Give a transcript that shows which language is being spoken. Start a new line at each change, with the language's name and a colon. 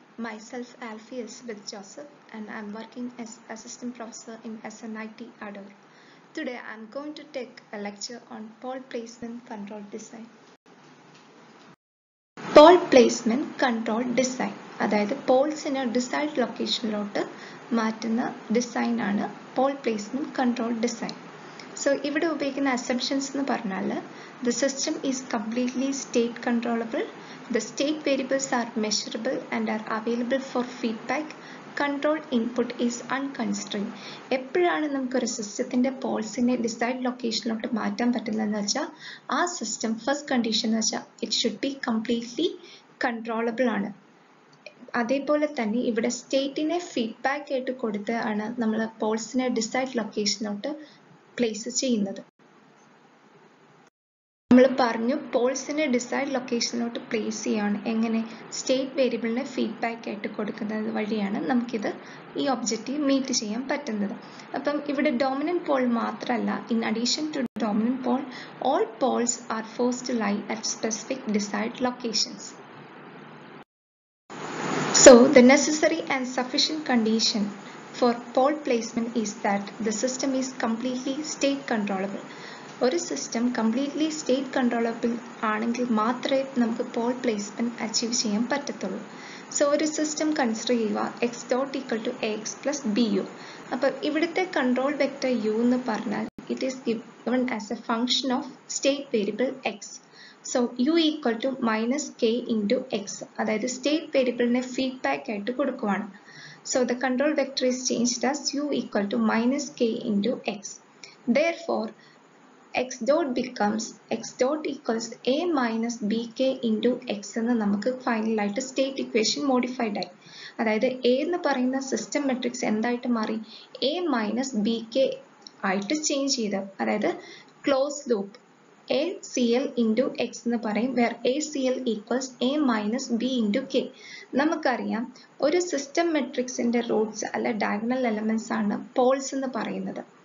English: Myself Alfie is with Joseph and I'm working as assistant professor in SNIT Adore. Today I'm going to take a lecture on pole placement control design. Pole placement control design.
Malayalam: അതായത് പോൾസിനെ decide ലൊക്കേഷനിലോട്ട് മാറ്റുന്ന ഡിസൈനാണ് Paul placement control design.
English: so
Malayalam: ഇവിടെ ഉപയോഗിക്കുന്ന assumptions എന്ന് പറഞ്ഞാൽ
English: The system is completely state controllable, the state variables are measurable and are available for feedback, control input is unconstrained.
Malayalam: എപ്പോഴാണ് നമുക്ക് ഒരു സിസ്റ്റത്തിന്റെ പോൾസിനെ ഡിസൈഡ് ലൊക്കേഷനിലോട്ട് മാറ്റാൻ പറ്റുന്നതെന്ന് വെച്ചാൽ ആ സിസ്റ്റം ഫസ്റ്റ് കണ്ടീഷൻ എന്ന് വെച്ചാൽ
English: it should be completely controllable
Malayalam: ആണ്. അതേപോലെ തന്നെ ഇവിടെ സ്റ്റേറ്റിനെ ഫീഡ്ബാക്ക് ആയിട്ട് കൊടുത്ത് ആണ് നമ്മൾ പോൾസിനെ ഡിസൈഡ് ലൊക്കേഷനിലോട്ട് പ്ലേസ് ചെയ്യുന്നത്. നമ്മൾ പറഞ്ഞു പോൾസിനെ ഡിസൈഡ് ലൊക്കേഷനിലോട്ട് പ്ലേസ് ചെയ്യാണ് എങ്ങനെ സ്റ്റേറ്റ് വേരിയബിളിനെ ഫീഡ്ബാക്ക് ആയിട്ട് കൊടുക്കുന്നത് വഴിയാണ് നമുക്കിത് ഈ ഒബ്ജക്റ്റീവ് മീറ്റ് ചെയ്യാൻ പറ്റുന്നത്. അപ്പം ഇവിടെ ഡോമിനൻ്റ് പോൾ മാത്രമല്ല,
English: In addition to dominant pole all poles are forced lie at specific desired locations. So the necessary and sufficient condition for pole placement is that the system is completely state controllable.
Malayalam: ഒരു system completely state controllable ആണെങ്കിൽ മാത്രമേ നമുക്ക് Paul placement achieve ചെയ്യാൻ പറ്റത്തുള്ളൂ. So ഒരു system consider ചെയ്യുക
English: X dot equal to X plus B U.
Malayalam: അപ്പോൾ ഇവിടുത്തെ കൺട്രോൾ വെക്റ്റർ യു എന്ന് പറഞ്ഞാൽ
English: It is given as a function of state variable X. So U equal to minus K into X,
Malayalam: അതായത് state വേരിയബിളിനെ feedback ആയിട്ട് കൊടുക്കുവാണ്.
English: So the control vector is change as U equal to minus K into X. Therefore x dot becomes x dot equals a minus bk into x
Malayalam: എന്ന് നമുക്ക് ഫൈനലായിട്ട് state equation modified ആയി. അതായത് a എന്ന് പറയുന്ന system matrix എന്തായിട്ട് മാറി, a minus B K ആയിട്ട് ചേഞ്ച് ചെയ്ത്.
English: അതായത് close loop A C L into X
Malayalam: എന്ന് പറയും,
English: Where A C L equals A minus B into K.
Malayalam: നമുക്കറിയാം ഒരു സിസ്റ്റം മെട്രിക്സിന്റെ റൂട്ട്സ് അല്ല ഡയഗണൽ എലമെന്റ്സ് ആണ് പോൾസ് എന്ന് പറയുന്നത്.